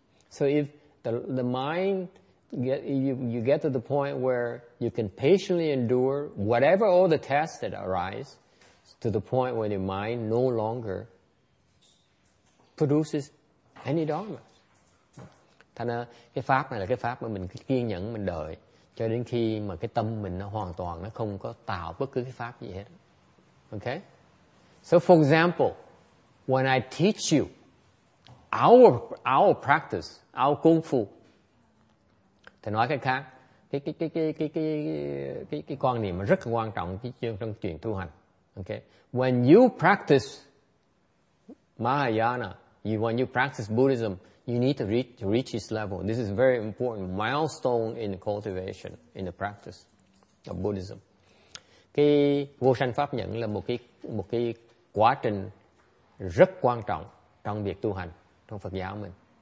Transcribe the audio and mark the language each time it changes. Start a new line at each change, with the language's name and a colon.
English: So if the mind you get to the point where you can patiently endure whatever all the tests that arise, to the point where your mind no longer produces any dharma,
Vietnamese: Thế nên cái pháp này là cái pháp mà mình kiên nhẫn mình đợi cho đến khi mà cái tâm mình nó hoàn toàn nó không có tạo bất cứ cái pháp gì hết. Okay?
English: So for example, when I teach you our practice, our kung fu,
Vietnamese: thì nói cách khác, cái quan niệm rất quan trọng trong chuyện tu hành.
English: Okay? When you practice Mahayana, when you practice Buddhism, you need to reach this level. This is a very important milestone in cultivation, in the practice of Buddhism.
Vietnamese: Cái vô sanh pháp nhẫn là một cái quá trình rất quan trọng trong việc tu hành trong Phật giáo mình.